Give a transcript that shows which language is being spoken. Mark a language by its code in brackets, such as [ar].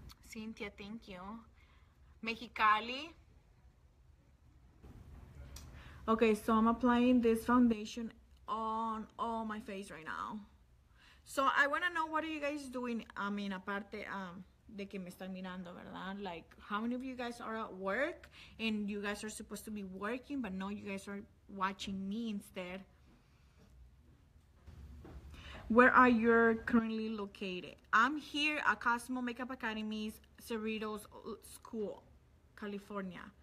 [en] Cynthia, thank you. Mexicali. Okay, so I'm applying this foundation on all my face right now. So I want to know, what are you guys doing? I mean, [es] aparte de que me están mirando, ¿verdad? [en] Like, how many of you guys are at work and you guys are supposed to be working, but no, you guys are watching me instead. Where are you currently located? I'm here at Cosmo Makeup Academy's Cerritos School, California.